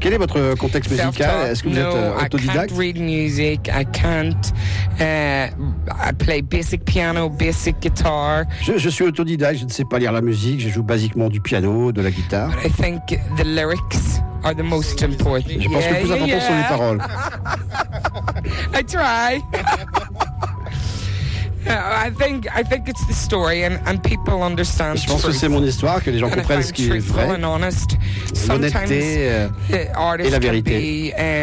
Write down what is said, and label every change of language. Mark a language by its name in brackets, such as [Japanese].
[French] Quel est votre contexte musical? Est-ce que vous êtes autodidacte? [English] I can't read music. I can't. I play basic piano, basic guitar. [French] Je suis autodidacte. Je ne sais pas lire la musique. Je joue basiquement du piano, de la guitare. [English] But I think the lyrics are the most important. [French] Je pense que le plus important sont les paroles. [English] I try. I think it's the story and people understand. [French] Je pense que c'est mon histoire, que les gens comprennent ce qui est vrai. L'honnêteté et la vérité.